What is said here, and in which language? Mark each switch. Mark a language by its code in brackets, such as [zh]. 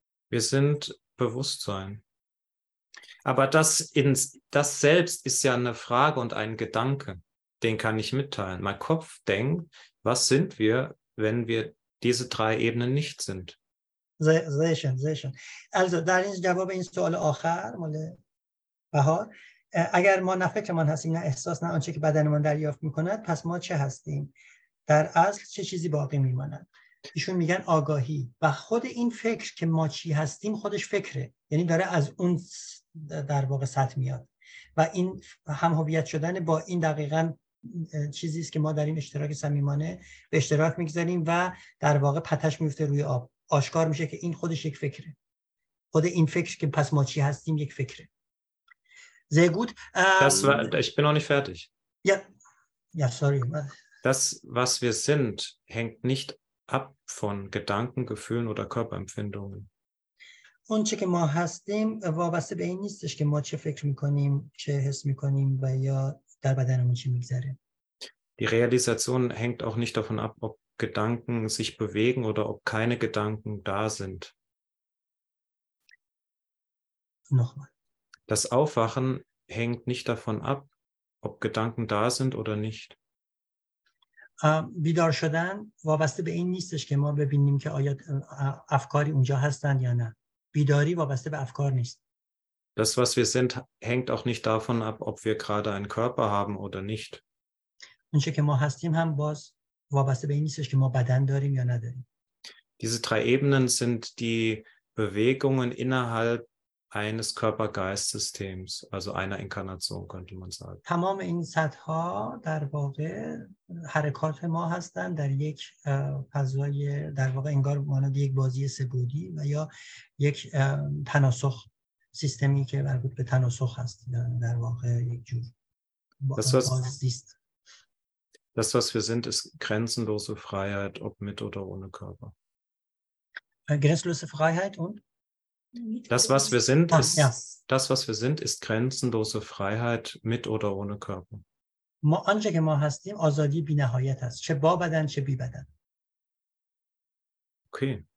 [de] Wir sind Bewusstsein. Aber das selbst ist ja eine Frage und ein Gedanke, den kann ich mitteilen. Mein Kopf denkt, was sind wir, wenn wir diese drei Ebenen nicht sind? Sehr schön, sehr schön. [fa] Also, در این جواب این سوال آخر مال بهار، اگر ما نه فکرمان هستیم، نه احساس، نه آنچه که بدنمان دریافت میکند، پس ما چه هستیم؟ در اصل چه چیزی باقی میماند؟ ایشون میگن آگاهی و خود این فکر که ما چی هستیم خودش فکره، یعنی داره از اون در واقع سطح میاد و این هم‌هویت شدن با این دقیقاً چیزی است که ما در این اشتراک صمیمانه به اشتراک میگذاریم و در واقع پتش میفته روی آب، آشکار میشه که این خودش یک فکره، خود این فکر که پس ما چی هستیم یک فکره. [de] Sehr gut. Ich bin noch nicht fertig. Ja, sorry. Das, was wir sind, hängt nicht ab von Gedanken, Gefühlen oder Körperempfindungen. [fa] اون چه که ما هستیم وابسته به این نیستش که ما چه فکر میکنیم، چه حس میکنیم و یا در بدنمون چی میگذره. [de] Die Realisation hängt auch nicht davon ab, ob Gedanken sich bewegen oder ob keine Gedanken da sind. Nochmal. Das Aufwachen hängt nicht davon ab, ob Gedanken da sind oder nicht. [fa] بیدار شدن وابسته به این نیستش که ما ببینیم که آیا افکاری اونجا هستن یا نه. بیداری وابسته به افکار نیست. [de] Das was wir sind hängt auch nicht davon ab, ob wir gerade einen Körper haben oder nicht. [fa] اون چه که ما هستیم هم باز وابسته به این نیستش که ما بدن داریم یا نداریم. [de] Diese drei Ebenen sind die Bewegungen innerhalb eines Körper-Geist-Systems, also einer Inkarnation könnte man sagen. [fa] تمام این سطح‌ها در واقع حرکات ما هستند در یک فضای در واقع انگار مانند یک بازی سه‌بعدی و یا یک تناسخ سیستمی که مربوط به تناسخ هست در واقع یک جور بازیست. [de] Das, was wir sind, ist grenzenlose Freiheit, ob mit oder ohne Körper. Grenzenlose Freiheit und? Das, was wir sind, ist grenzenlose Freiheit, mit oder ohne Körper. Okay,